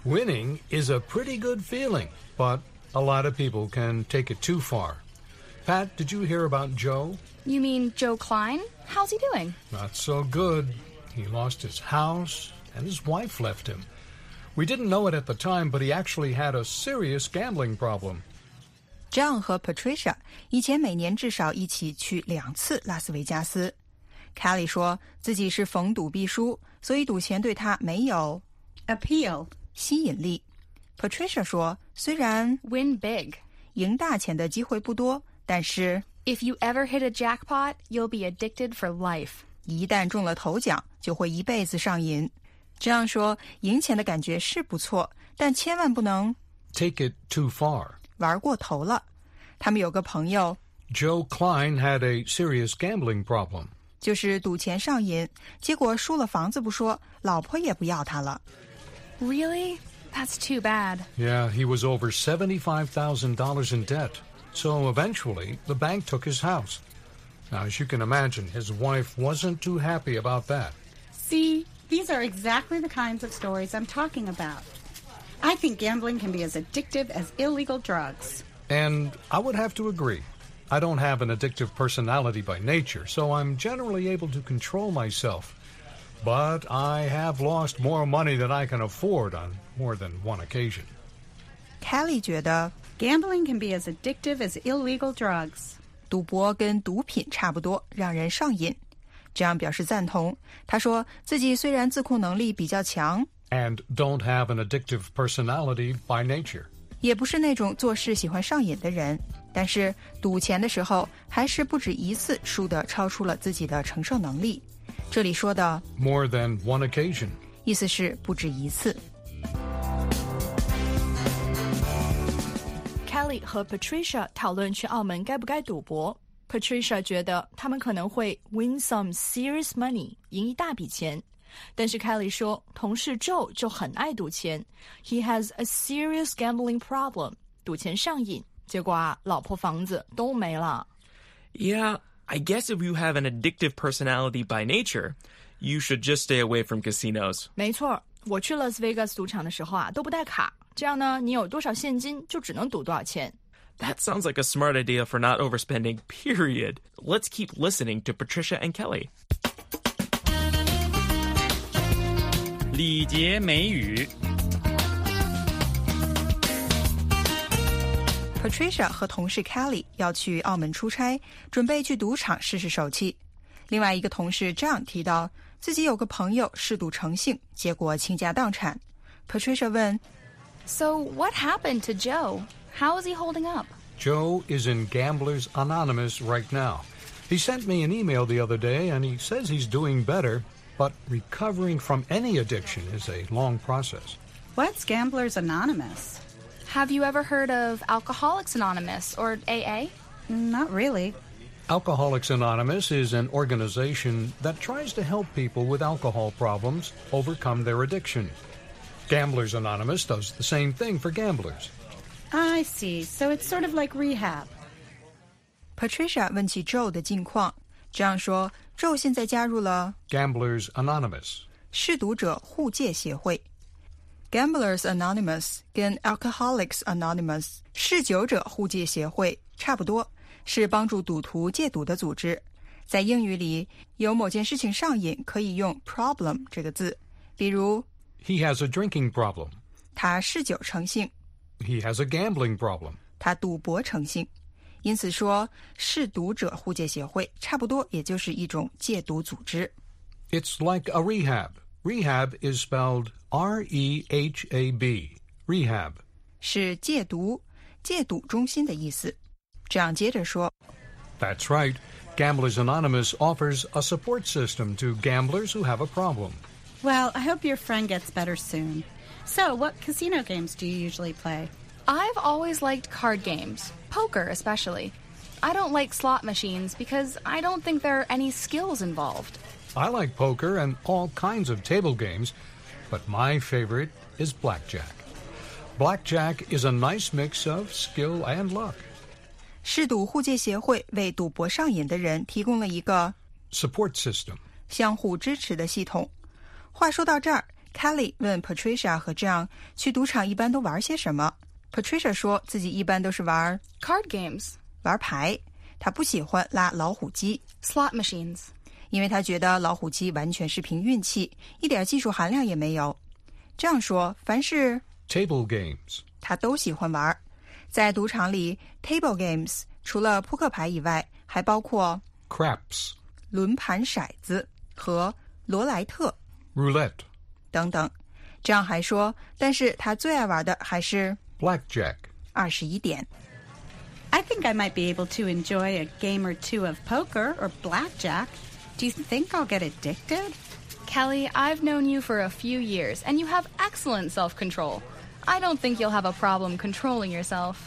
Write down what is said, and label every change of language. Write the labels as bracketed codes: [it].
[en] Winning is a pretty good feeling, but a lot of people can take it too far. Pat, did you hear about Joe? You mean Joe Klein? How's he doing? Not so good. He lost his house, and his wife left him. We didn't know it at the time, but he actually had a serious gambling problem. [zh] John 和 Patricia 以前每年至少一起去两次拉斯维加斯。 Kelly 说自己是逢赌必输，所以赌钱对他没有 [en] appeal [zh] 吸引力。 Patricia 说虽然 [en] win big [zh] 赢大钱的机会不多，但是 [en] if you ever hit a jackpot, you'll be addicted for life. [zh] 一旦中了头奖就会一辈子上瘾。这样说赢钱的感觉是不错，但千万不能 [en] take it too far [zh] 玩过头了。他们有个朋友 [en] Joe Klein had a serious gambling problem. [zh] 就是赌钱上瘾，结果输了房子不说，老婆也不要他了。 [en] Really? That's too bad. Yeah, he was over $75,000 in debt. So eventually, the bank took his house. Now, as you can imagine, his wife wasn't too happy about that. See, these are exactly the kinds of stories I'm talking about. I think gambling can be as addictive as illegal drugs. And I would have to agree. I don't have an addictive personality by nature, so I'm generally able to control myself. But I have lost more money than I can afford on more than one occasion. [zh] Kelly 觉得 [en] gambling can be as addictive as illegal drugs. [zh] 赌博跟毒品差不多，让人上瘾。 John 表示赞同。他说自己虽然自控能力比较强 [en] and don't have an addictive personality by nature. [zh] 也不是那种做事喜欢上瘾的人。但是赌钱的时候还是不止一次输得超出了自己的承受能力。这里说的 [en] more than one occasion [zh] 意思是不止一次。 Kelly 和 Patricia 讨论去澳门该不该赌博。 Patricia 觉得他们可能会 [en] win some serious money [zh] 赢一大笔钱，但是 Kelly 说同事 Joe 就很爱赌钱， [en] He has a serious gambling problem， [zh] 赌钱上瘾，结果啊，老婆房子都没了。 [en] Yeah, I guess if you have an addictive personality by nature, you should just stay away from casinos. [zh] 没错，我去 Las Vegas 赌场的时候啊，都不带卡。这样呢，你有多少现金，就只能赌多少钱。 [en] That sounds like a smart idea for not overspending, period. Let's keep listening to Patricia and Kelly. [zh] 礼节美语。 Patricia 和同事 Kelly 要去澳门出差，准备去赌场试试手气。另外一个同事 John 提到自己有个朋友嗜赌成性，结果倾家荡产。 Patricia 问 [en] So what happened to Joe? How is he holding up? Joe is in Gamblers Anonymous right now. He sent me an email the other day and he says he's doing better, but recovering from any addiction is a long process. What's Gamblers Anonymous? Have you ever heard of Alcoholics Anonymous, or AA? Not really. Alcoholics Anonymous is an organization that tries to help people with alcohol problems overcome their addiction. Gamblers Anonymous does the same thing for gamblers. I see. So it's sort of like rehab. [zh] Patricia 问起 Joe 的近况。John 说 Joe 现在加入了 [en] Gamblers Anonymous. [zh] 嗜赌者互戒协会。 Gamblers Anonymous 跟 Alcoholics Anonymous 嗜酒者互戒协会差不多，是帮助赌徒戒赌的组织。在英语里，有某件事情上瘾可以用 problem 这个字，比如 [en] He has a drinking problem. [zh] 他嗜酒成性。 [en] He has a gambling problem. [zh] 他赌博成性。因此说，嗜赌者互戒协会差不多也就是一种戒赌组织。 [en] It's like a rehab. Rehab is spelled R-E-H-A-B, rehab. [zh] 是戒毒、戒赌中心的意思。这样接着说。 [en] That's right. Gamblers Anonymous offers a support system to gamblers who have a problem. Well, I hope your friend gets better soon. So, what casino games do you usually play? I've always liked card games, poker especially. I don't like slot machines because I don't think there are any skills involved. I like poker and all kinds of table games, but my favorite is blackjack. Blackjack is a nice mix of skill and luck. [zh] 嗜赌互戒协会为赌博上瘾的人提供了一个 [en] support system, [zh] 相互支持的系统。话说到这儿 ,Kelly 问 Patricia 和 John 去赌场一般都玩些什么。 Patricia 说自己一般都是玩 [en] card games, [zh] 玩牌。她不喜欢拉老虎机 [en] slot machines. [zh] 因为他觉得老虎机完全是凭运气，一点技术含量也没有。这样说，凡是 [en] table games， [zh] 他都喜欢玩。在赌场里 ，table games 除了扑克牌以外，还包括 [en] craps， [zh] 轮盘骰子和罗莱特 [en] roulette [zh] 等等。这样还说，但是他最爱玩的还是 [en] blackjack， [zh] 二十一点。 [en] I think I might be able to enjoy a game or two of poker or blackjack. Do you think I'll get addicted? Kelly, I've known you for a few years, and you have excellent self-control. I don't think you'll have a problem controlling yourself.